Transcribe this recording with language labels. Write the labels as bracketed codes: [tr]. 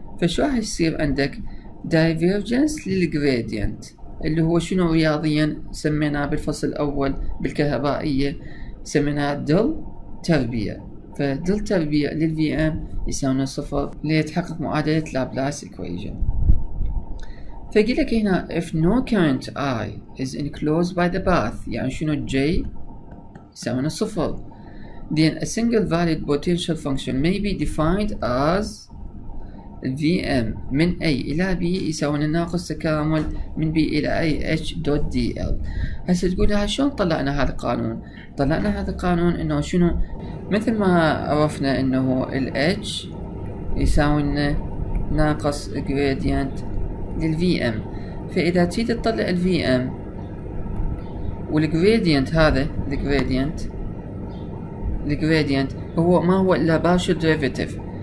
[ar] فشو راح يصير عندك؟ دايفيرجنس للجريدينت اللي هو شنو رياضيا سميناه بالفصل الاول بالكهربائيه سميناه دل تربيع، فدل تربيع للفي ام يساوي صفر ليتحقق معادله لابلاس اكويجن. فقيل لك هنا [en] if no current i is enclosed by the path [ar] يعني شنو جي يساوي صفر، [en] then a single valid potential function may be defined as VM [ar] من A إلى B يساوي ناقص تكامل من B إلى A [en] H dot DL. [ar] هسه تقول لها شلون طلعنا هذا القانون؟ طلعنا هذا القانون إنه شنو؟ مثل ما عرفنا إنه ال H يساوي ناقص gradient لل VM. فإذا تريد تطلع ال VM وال gradient هذا ال gradient هو ما هو إلا partial derivative.